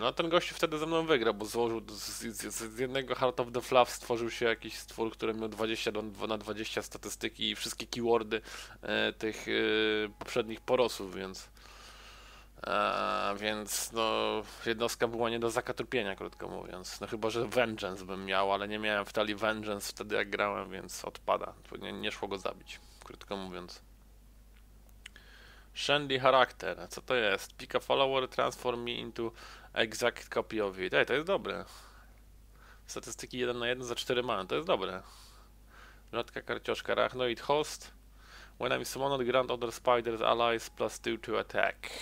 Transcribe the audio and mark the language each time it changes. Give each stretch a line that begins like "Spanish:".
Polish: No ten gość wtedy ze mną wygrał, bo złożył z jednego Heart of the Fluff stworzył się jakiś stwór, który miał 20x20 statystyki i wszystkie keywordy tych poprzednich porosów, więc... więc no jednostka była nie do zakatrupienia, krótko mówiąc. No chyba, że Vengeance bym miał, ale nie miałem w talii Vengeance wtedy jak grałem, więc odpada. Nie szło go zabić, krótko mówiąc. Shandy Character, co to jest?
English: Pick a follower, transform me into exact copy of it.
Polish: Ej, to jest dobre. Statystyki 1 na 1 za 4 man, to jest dobre. Rzadka karcioszka, Arachnoid Host.
English: When I'm summoned, grant other spiders allies plus 2 to attack.